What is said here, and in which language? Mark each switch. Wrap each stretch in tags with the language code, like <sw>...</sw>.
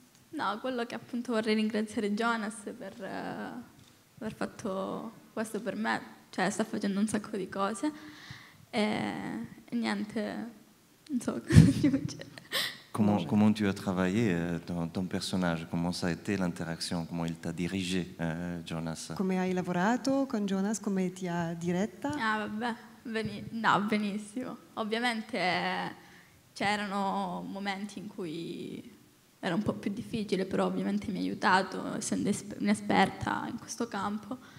<it>No, quello che appunto vorrei ringraziare Jonas per aver fatto questo per me, cioè sta facendo un sacco di cose e niente, non so</it> <fr>Comment tu as travaillé ton personnage, comment ça a été l'interaction, comment il t'a dirigé Jonas?</fr> <it>Come hai lavorato con Jonas, come ti ha diretta? Benissimo, ovviamente c'erano momenti in cui era un po' più difficile, però ovviamente mi ha aiutato, essendo un'esperta in questo campo.</it>